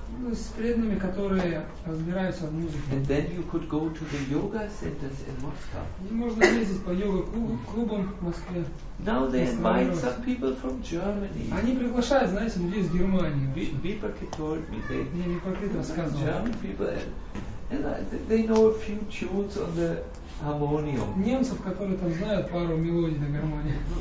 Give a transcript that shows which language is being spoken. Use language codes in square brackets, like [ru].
[ru] Ну, с преданными, которые разбираются в музыке. [en] And then you could go to the yoga centers in Moscow. [ru] И можно ездить по йога-клубам в Москве. [en] Now they invite some people from Germany. [ru] Они приглашают, знаете, людей из Германии. [en] Випаки told me they. [ru] Не, Випаки рассказывал. [en] German people and they know a few tunes on the harmonium. [ru] Немцев, которые там знают пару мелодий на гармонии.